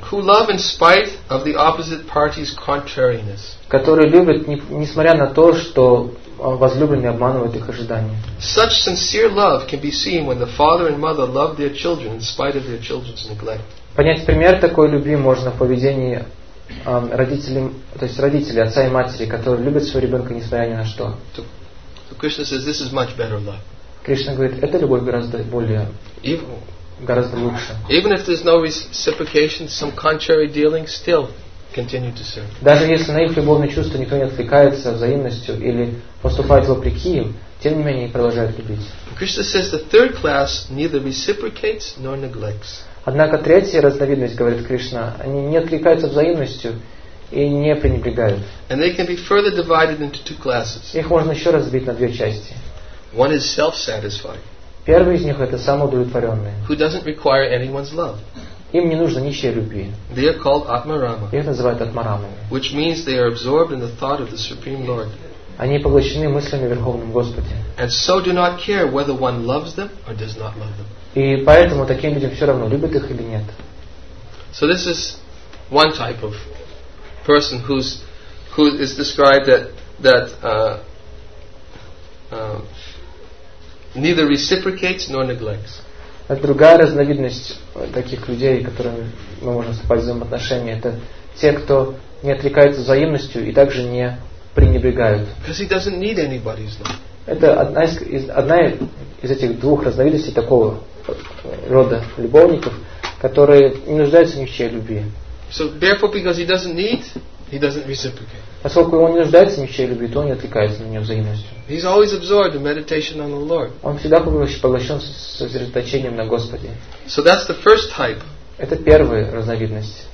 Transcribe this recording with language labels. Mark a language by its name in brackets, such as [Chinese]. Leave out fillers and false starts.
[English] Who love in spite of the opposite party's contrariness. [Russian] Которые любят, несмотря на то, что возлюбленные обманывают их ожидания. [English] Such sincere love can be seen when the father and mother love their children in spite of their children's neglect. [Russian] Понять пример такой любви можно в поведении родителей, то есть родителей, отца и матери, которые любят своего ребенка несмотря ни на что. [English] So Krishna says, this is much better love. [Russian] Кришна говорит, эта любовь гораздо более, гораздо лучше. [English] Even if there's no reciprocation, some contrary dealing, still continue to serve. [Russian] Даже если на их любовные чувства никто не откликается взаимностью или поступает вопреки им, тем не менее продолжают любить. [English] Krishna says the third class neither reciprocates nor neglects. [Russian] Однако третья разновидность, говорит Кришна, они не откликаются взаимностью и не пренебрегают. [English] And they can be further divided into two classes. [Russian] Их можно еще разбить на две части. [English] One is self-satisfied. [Russian] Первый из них это самоудовлетворенные. [English] Who doesn't require anyone's love. [Russian] Им не нужно ничьей любви. [English] They are called Atmarama. [Russian] Их называют Атмарамами. [English] Which means they are absorbed in the thought of the Supreme Lord. [Russian] Они поглощены мыслями Верховного Господа. [English] And so do not care whether one loves them or does not love them. [Russian] И поэтому таким людям все равно, любят их или нет. [English] So this is one type of person who is described that neither reciprocates nor neglects. [Russian] Это другая разновидность таких людей, которыми мы можем вступать в взаимоотношения. Это те, кто не отрекается взаимностью и также не пренебрегают. [English] Because he doesn't need anybody's love. [Russian] Это одна из этих двух разновидностей такого рода любовников, которые не нуждаются ни в чьей любви. [English] So therefore, because he doesn't need, he doesn't reciprocate. [Russian] Поскольку он не нуждается ни в чьей любви, то он не отвлекается на нее взаимностью. [English] He's always absorbed in meditation on the Lord. [Russian] Он всегда поглощен сосредоточением на Господе. [English] So that's the first type. [Russian] Это первая разновидность.